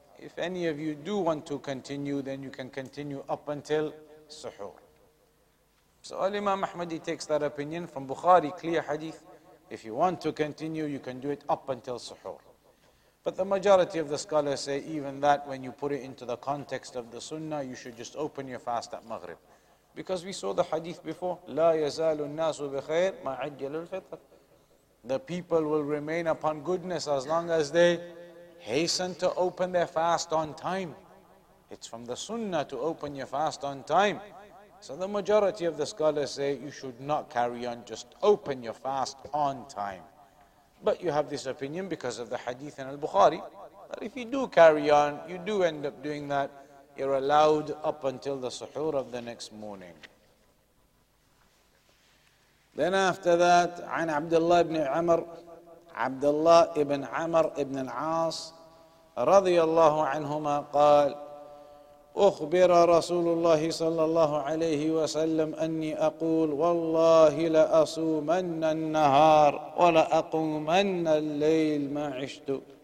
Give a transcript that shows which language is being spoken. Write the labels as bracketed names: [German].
[English] If any of you do want to continue, then you can continue up until suhoor. So Al-Imam Ahmad, he takes that opinion from Bukhari, clear hadith, If you want to continue, you can do it up until suhoor. But the majority of the scholars say even that, when you put it into the context of the sunnah, you should just open your fast at maghrib. Because we saw the hadith before, [Arabic] لا يزال الناس بخير ما عجل الفطر. [English] The people will remain upon goodness as long as they hasten to open their fast on time. It's from the sunnah to open your fast on time. So the majority of the scholars say you should not carry on, just open your fast on time. But you have this opinion because of the hadith in al-Bukhari, that if you do carry on, you do end up doing that, you're allowed up until the suhoor of the next morning. Then after that, [Arabic] عن عبد الله بن عمر, عبد الله بن عمر بن العاص, رضي الله عنهما قال, أخبر رسول الله صلى الله عليه وسلم أني أقول والله لأصومن النهار ولأقومن الليل ما عشت.